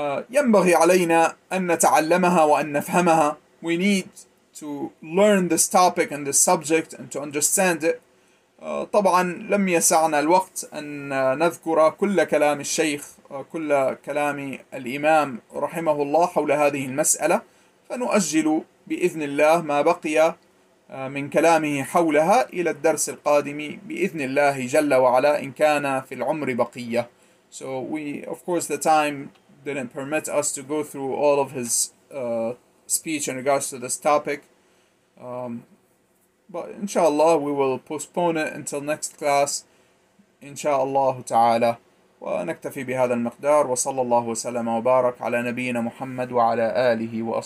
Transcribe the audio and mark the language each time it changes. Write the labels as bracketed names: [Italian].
[Arabic] ينبغي علينا أن نتعلمها وأن نفهمها. [English] We need to learn this topic and this subject and to understand it. [Arabic] طبعا لم يسعنا الوقت أن نذكر كل كلام الشيخ كل كلام الإمام رحمه الله حول هذه المسألة، فنؤجل بإذن الله ما بقي من كلامه حولها إلى الدرس القادم بإذن الله جل وعلا إن كان في العمر بقية. [English] So we, of course, the time didn't permit us to go through all of his speech in regards to this topic. But inshallah, we will postpone it until next class. [Arabic] Inshallah ta'ala. ونكتفي بهذا المقدار. وصلى الله وسلم وبارك على نبينا محمد وعلى آله وأصحابه.